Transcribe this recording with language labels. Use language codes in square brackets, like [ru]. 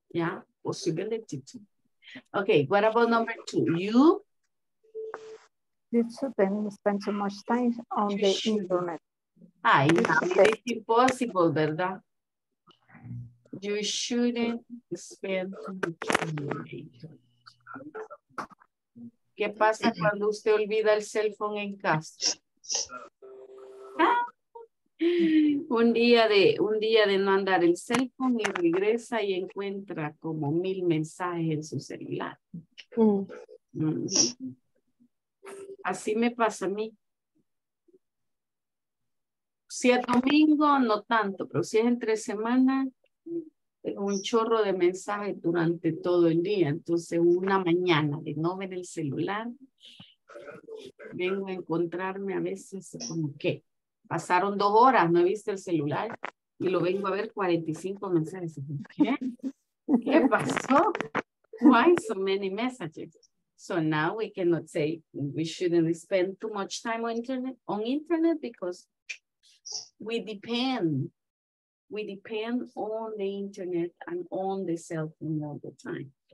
[en] Yeah, possibility too. Okay, what about number two? You shouldn't spend too much time on the internet. Ah, it's impossible, ¿verdad? You shouldn't spend too much time on the internet. [es] ¿Qué pasa cuando usted olvida el cell phone en casa? Un día de no andar el cell phone y regresa y encuentra como 1,000 mensajes en su celular. Así me pasa a mí. Si es domingo, no tanto, pero si es entre semana, un chorro de mensajes durante todo el día. Entonces, una mañana de no ver el celular, vengo a encontrarme a veces como que pasaron 2 horas, no he visto el celular y lo vengo a ver 45 mensajes. ¿Qué pasó? [en] Why so many messages? So now we cannot say we shouldn't spend too much time on internet because we depend on the internet and on the cell phone all the time.